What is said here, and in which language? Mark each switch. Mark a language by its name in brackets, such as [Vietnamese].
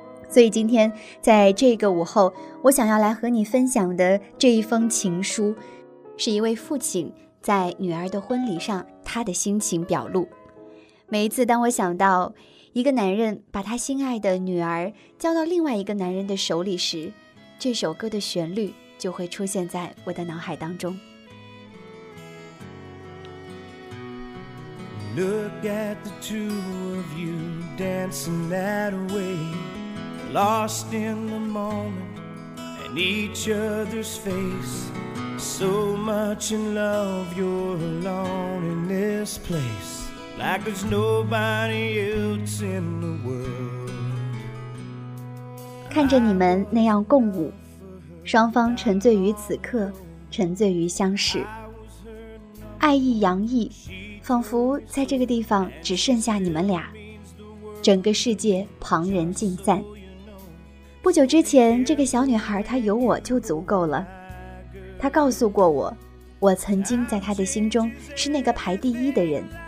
[Chinese] 所以今天在这个午后，我想要来和你分享的这一封情书，是一位父亲在女儿的婚礼上他的心情表露。每一次当我想到一个男人把他心爱的女儿交到另外一个男人的手里时，这首歌的旋律就会出现在我的脑海当中。 [English] Look at the two of you dancing that way, lost in the moment and each other's face, so much in love, you're alone in this placeLike there's nobody else in the world. [Chinese] 看着你们那样共舞，双方沉醉于此刻，沉醉于相识，爱意洋溢，仿佛在这个地方只剩下你们俩，整个世界旁人尽散。不久之前，这个小女孩她有我就足够了，她告诉过我，我曾经在她的心中是那个排第一的人。